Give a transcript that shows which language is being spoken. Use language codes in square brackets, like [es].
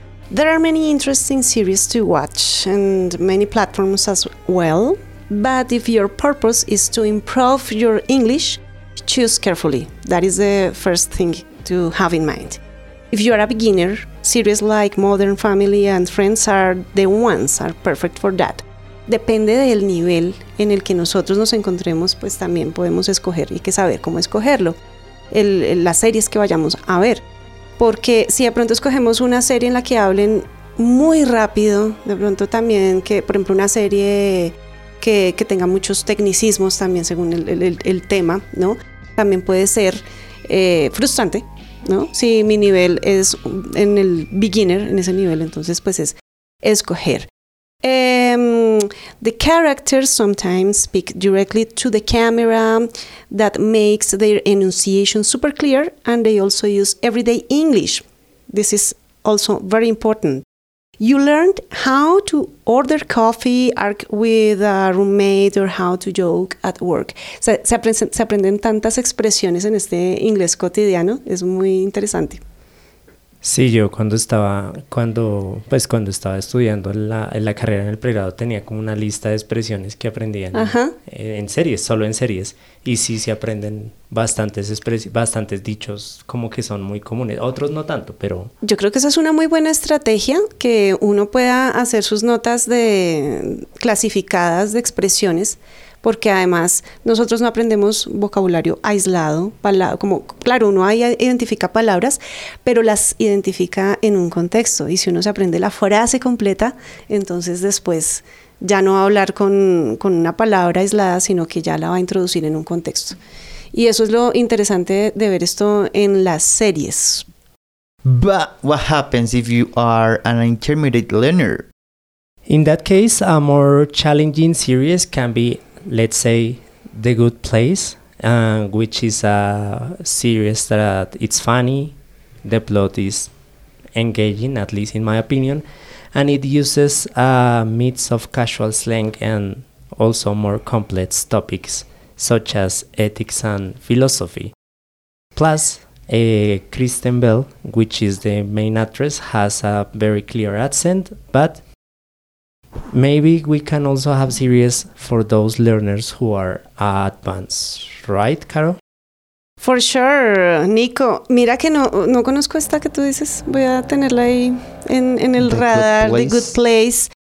[en] There are many interesting series to watch, and many platforms as well. But if your purpose is to improve your English, choose carefully. That is the first thing to have in mind. If you are a beginner, series like Modern Family and Friends are the ones are perfect for that. [es] Depende del nivel en el que nosotros nos encontremos, pues también podemos escoger y que saber cómo escogerlo. Las series que vayamos a ver. Porque si de pronto escogemos una serie en la que hablen muy rápido, de pronto también que, por ejemplo, una serie que tenga muchos tecnicismos también según el tema, ¿no? También puede ser frustrante, ¿no? Si mi nivel es en el beginner, en ese nivel, entonces pues es escoger. [en] The characters sometimes speak directly to the camera, that makes their enunciation super clear, and they also use everyday English. This is also very important. You learned how to order coffee, arc with a roommate, or how to joke at work. [es] Se aprenden tantas expresiones en este inglés cotidiano, es muy interesante. Sí, yo cuando estaba estudiando la carrera en el pregrado tenía como una lista de expresiones que aprendían en series, solo en series. Y sí, se aprenden bastantes dichos como que son muy comunes, otros no tanto, pero... Yo creo que esa es una muy buena estrategia, que uno pueda hacer sus notas de clasificadas de expresiones, porque además nosotros no aprendemos vocabulario aislado, como claro, uno ahí identifica palabras, pero las identifica en un contexto. Y si uno se aprende la frase completa, entonces después ya no va a hablar con una palabra aislada, sino que ya la va a introducir en un contexto. Y eso es lo interesante de ver esto en las series. [en] But what happens if you are an intermediate learner? In that case, a more challenging series can be, let's say, The Good Place, which is a series that it's funny, the plot is engaging, at least in my opinion, and it uses a mix of casual slang and also more complex topics, such as ethics and philosophy. Plus, Kristen Bell, which is the main actress, has a very clear accent, but maybe we can also have series for those learners who are advanced, right, Caro? For sure, Nico. [es] Mira que no conozco esta que tú dices. Voy a tenerla ahí en el radar, The Good Place.